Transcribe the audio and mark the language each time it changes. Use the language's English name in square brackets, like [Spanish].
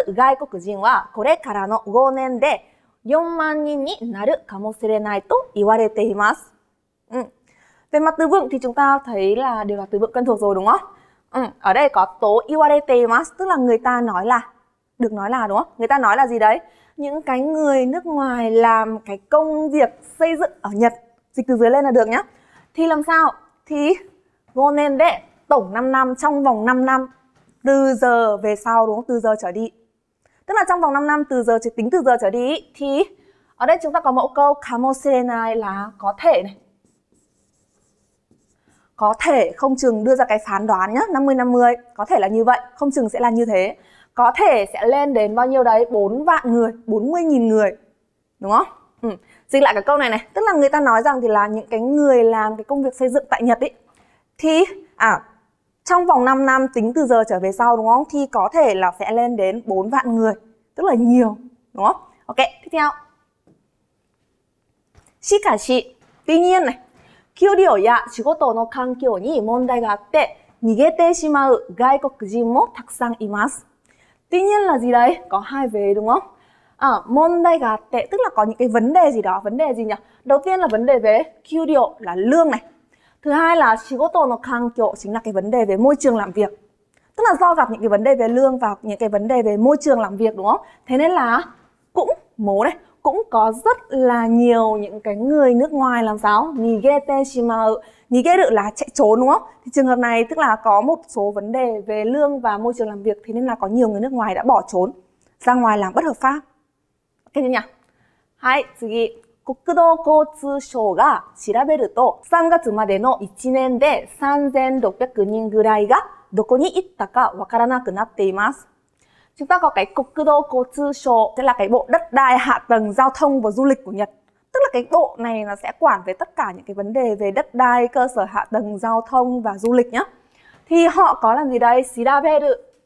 [Japanese] 日本で建設の仕事をする外国人はこれからの 5年で 4万人になるかもしれないと言われています. [Vietnamese] Về mặt từ vựng thì chúng ta thấy là đều là từ vựng quen thuộc rồi đúng không? Ở đây có tố [Japanese] いわれています, [Vietnamese] tức là người ta nói là, được nói là đúng không? Người ta nói là gì đấy? Những cái người nước ngoài làm cái công việc xây dựng ở Nhật, dịch từ dưới lên là được nhá. Thì làm sao? Thì [Japanese] 5年で, [Vietnamese] tổng 5 năm, trong vòng 5 năm từ giờ về sau đúng không? Từ giờ trở đi. Tức là trong vòng 5 năm từ giờ, chỉ tính từ giờ trở đi thì ở đây chúng ta có mẫu câu kamoserenai là có thể này. Có thể không chừng đưa ra cái phán đoán nhá, 50-50, có thể là như vậy, không chừng sẽ là như thế. Có thể sẽ lên đến bao nhiêu đấy? 4 vạn người, 40.000 người. Đúng không? Dịch lại cái câu này này, tức là người ta nói rằng thì là những cái người làm cái công việc xây dựng tại Nhật ấy thì trong vòng 5 năm tính từ giờ trở về sau đúng không? Thì có thể là sẽ lên đến 4 vạn người, tức là nhiều, đúng không? Ok, tiếp theo. [Japanese] しかし、 [Vietnamese] tuy nhiên này, [Japanese] 給料や仕事の環境に問題があって逃げてしまう外国人もたくさんいます。 [Vietnamese] tuy nhiên là gì đấy? Có hai vế đúng không? À, [Japanese] 問題があって, [Vietnamese] tức là có những cái vấn đề gì đó, vấn đề gì nhỉ? Đầu tiên là vấn đề về 給料, là lương này. Thứ hai là [Japanese] 仕事の環境, [Vietnamese] chính là cái vấn đề về môi trường làm việc. Tức là do gặp những cái vấn đề về lương và những cái vấn đề về môi trường làm việc đúng không? Thế nên là cũng mố đấy, cũng có rất là nhiều những cái người nước ngoài làm sao? [Japanese] Nigete shimau. [Vietnamese] Nigeru là chạy trốn đúng không? Thì trường hợp này tức là có một số vấn đề về lương và môi trường làm việc, thế nên là có nhiều người nước ngoài đã bỏ trốn ra ngoài làm bất hợp pháp. OK chưa nhỉ? [Japanese] Hai, 次. 国土交通省が調べると3月までの1年で3600人ぐらいがどこに行ったかわからなくなっています。 [Vietnamese] Chúng ta có cái 国土交通省, tức là cái bộ đất đai hạ tầng giao thông và du lịch của Nhật. Tức là cái bộ này nó sẽ quản về tất cả những cái vấn đề về đất đai, cơ sở hạ tầng giao thông và du lịch nhé. Thì họ có làm gì đây? 調べる.